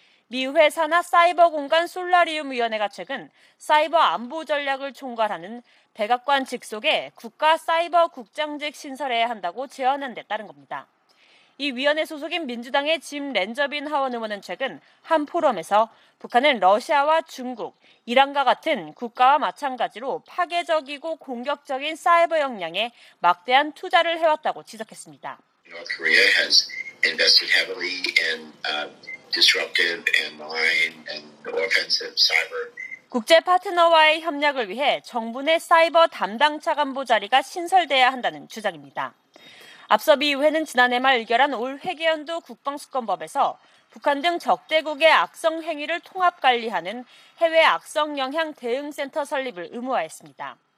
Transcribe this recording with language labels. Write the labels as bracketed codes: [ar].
[ko] 미 의회 산하 사이버 공간 솔라리움 위원회가 최근 사이버 안보 전략을 총괄하는 백악관 직속에 국가 사이버 국장직 신설해야 한다고 제안한 데 따른 겁니다. 이 위원회 소속인 민주당의 짐 렌저빈 하원 의원은 최근 한 포럼에서 북한은 러시아와 중국, 이란과 같은 국가와 마찬가지로 파괴적이고 공격적인 사이버 역량에 막대한 투자를 해왔다고 지적했습니다. [en] North Korea has invested heavily in disruptive and malign and offensive cyber. [ko] 국제 파트너와의 협력을 위해 정부 내 사이버 담당 차관보 자리가 신설돼야 한다는 주장입니다. 앞서 미 의회는 지난해 말 의결한 올 회계연도 국방수권법에서 북한 등 적대국의 악성 행위를 통합 관리하는 해외 악성 영향 대응센터 설립을 의무화했습니다.